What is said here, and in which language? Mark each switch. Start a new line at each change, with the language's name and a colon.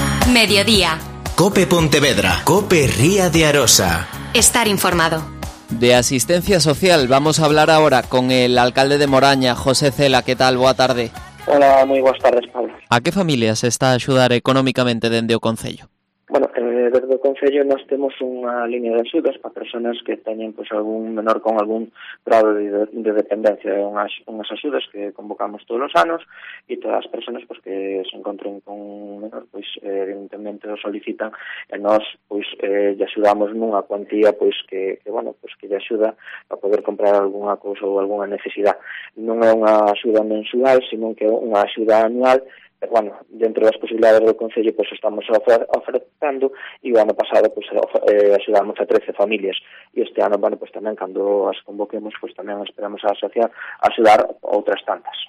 Spanish: Mediodía. COPE Pontevedra, COPE Ría de Arosa. Estar informado. De asistencia social, vamos a hablar ahora con el alcalde de Moraña, José Cela. ¿Qué tal?
Galician: Boa tarde.
Spanish: Hola, muy buenas tardes, Pablo.
Galician: ¿A qué familias está a ayudar económicamente dende o concello? Bueno, dende o concello nos temos unha línea de axudas para personas que teñen pues, algún menor con algún grado de dependencia. Unhas axudas que convocamos todos os anos e todas as personas pues, que se encontren con un menor, pues, evidentemente, o solicitan e nos pues, lle axudamos nunha cuantía pues, que, bueno, pues, que lle axuda a poder comprar alguna cosa ou alguna necesidad. Non é unha axuda mensual, sino que é unha axuda anual. Pero bueno, dentro das posibilidades do concello pues estamos ofertando e o ano pasado pues axudamos a 13 familias e este ano bueno, pues tamén cando as convoquemos pues tamén esperamos a asociar axudar outras tantas.